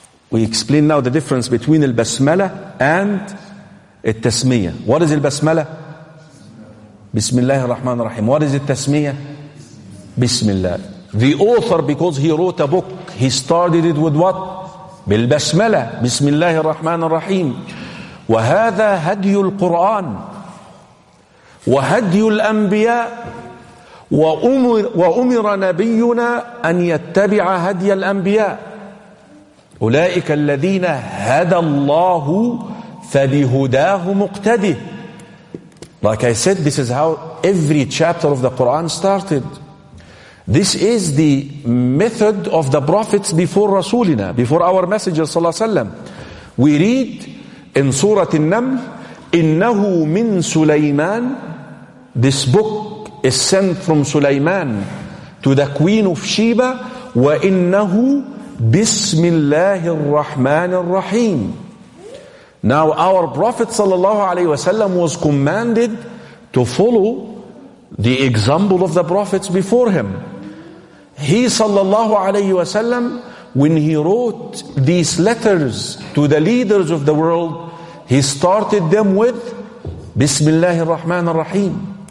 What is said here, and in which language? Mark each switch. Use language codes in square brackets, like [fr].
[en] We explain now the difference between al-basmala and al-tasmiya. What is al-basmala? Bismillah ar-Rahman ar-Rahim. What is al-tasmiya? Bismillah. The author, because he wrote a book, he started it with what? Bil-basmala. Bismillah ar-Rahman ar-Rahim. [ar] وهذا هدي القرآن وهدي الأنبياء وأمر نبينا أن يتبع هدي الأنبياء. أولئك الذين هدى الله فبهداه مقتده. [en] Like I said, this is how every chapter of the Quran started. This is the method of the prophets before رسولنا, before our messenger صلى الله عليه وسلم. We read in Surah An-Naml, [ar] إنه من سليمان. [en] This book is sent from سليمان to the queen of Sheba. [ar] وإنه بسم الله الرحمن الرحيم. [en] Now our Prophet sallallahu alayhi wa sallam was commanded to follow the example of the prophets before him. He sallallahu alayhi wa sallam, when he wrote these letters to the leaders of the world, he started them with [ar] بسم الله الرحمن الرحيم.